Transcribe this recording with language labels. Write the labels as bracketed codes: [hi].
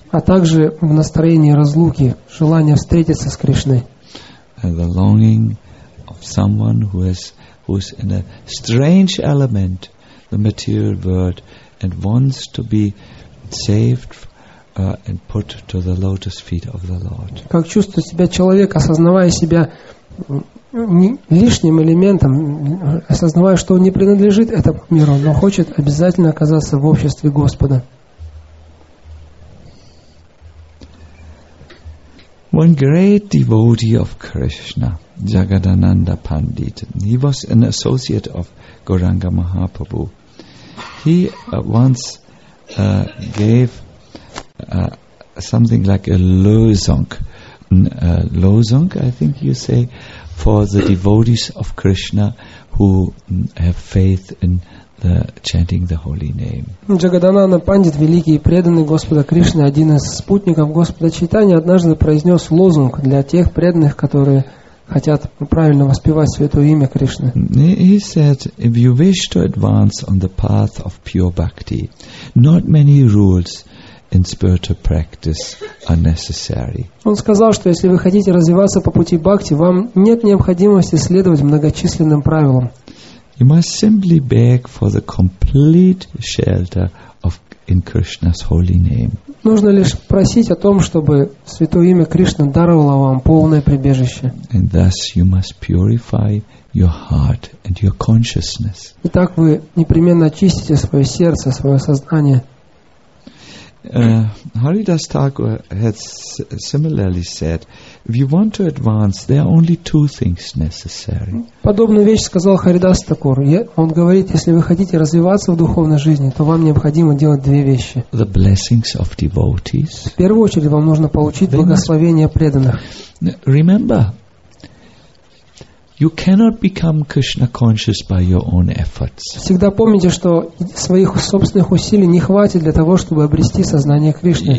[ru] А также в настроении разлуки, желания встретиться с Кришной. [en] And the longing of someone who is in a strange element, the material world, and wants to be saved and put to the lotus feet of the Lord. [ru] Как чувствует себя человек, осознавая себя лишним элементом, осознавая, что он не принадлежит этому миру, но хочет обязательно оказаться в обществе Господа. [en] One great devotee of Krishna, Jagadananda Pandit, he was an associate of Gauranga Mahaprabhu. He once gave something like a losung. Losung, I think you say, for the devotees of Krishna who have faith in the chanting the holy name. [ru] Джагадананда Пандит, великий и преданный Господа Кришны, один из спутников Господа Чайтаньи, однажды произнес лозунг для тех преданных, которые хотят правильно воспевать святое имя Кришны. [en] He said, if you wish to advance on the path of pure bhakti, not many rules in spiritual practice are necessary. [ru] Он сказал, что если вы хотите развиваться по пути бхакти, вам нет необходимости следовать многочисленным правилам. [en] You must simply beg for the complete shelter of in Krishna's holy name. [ru] Нужно лишь просить о том, чтобы святое имя Кришны даровало вам полное прибежище. [en] And thus you must purify your heart and your consciousness. [ru] И так вы непременно очистите свое сердце, свое сознание. [en] Haridas Thakur has similarly said, if you want to advance, there are only two things necessary. [ru] Подобную вещь сказал Харидас Такур. Он говорит, если вы хотите развиваться в духовной жизни, то вам необходимо делать две вещи. [en] The blessings of devotees. [ru] В первую очередь вам нужно получить благословение преданных. [en] Remember, you cannot become Krishna conscious by your own efforts. [ru] Всегда помните, что своих собственных усилий не хватит для того, чтобы обрести сознание Кришны.